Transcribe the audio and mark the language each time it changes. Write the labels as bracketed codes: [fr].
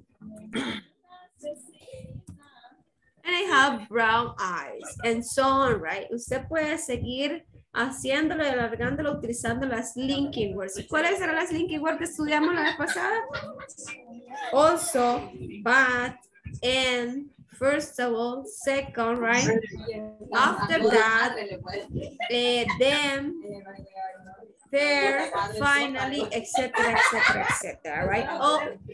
[en] And I have brown eyes, and so on, right? [es] Usted puede seguir haciéndolo y alargándolo utilizando las [en] linking words. [es] ¿Cuáles eran las [en] linking words [es] que estudiamos la vez pasada? [en] Also, but, and, first of all, second, right? After that, then, there, finally, etc., etc., etc., right?